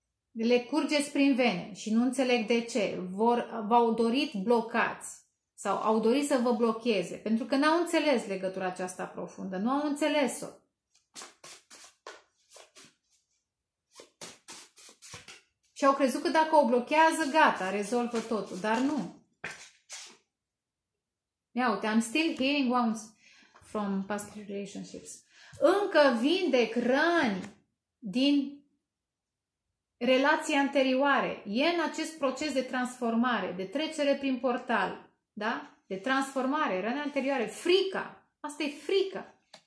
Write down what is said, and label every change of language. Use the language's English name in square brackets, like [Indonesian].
[Romanian] Le curgeți prin vene și nu înțeleg de ce. V-au dorit blocați sau au dorit să vă blocheze pentru că n-au înțeles legătura aceasta profundă, nu au înțeles-o. Și au crezut că dacă o blochează, gata, rezolvă totul. Dar nu. Ia uite, [English] I'm still hearing wounds from past relationships. [Romanian] Încă vindec răni din relații anterioare. E în acest proces de transformare, de trecere prin portal. Da? De transformare, răni anterioare. Frica. Asta e frica.